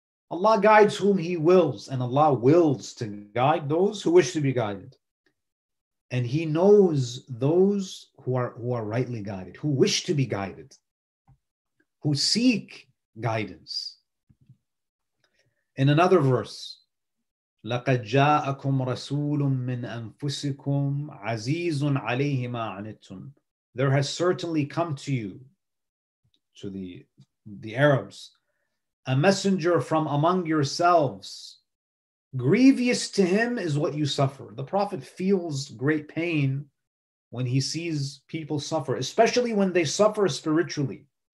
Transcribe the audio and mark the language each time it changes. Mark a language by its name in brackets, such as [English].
[English] Allah guides whom He wills, and Allah wills to guide those who wish to be guided. And He knows those who are rightly guided, who wish to be guided, who seek guidance. In another verse, [Arabic] لَقَدْ جَاءَكُمْ رَسُولٌ مِّنْ أَنفُسِكُمْ عَزِيزٌ عَلَيْهِ مَا عَنِتُّمْ. [English] There has certainly come to you, to the Arabs, a messenger from among yourselves. Grievous to him is what you suffer. The Prophet feels great pain when he sees people suffer, especially when they suffer spiritually.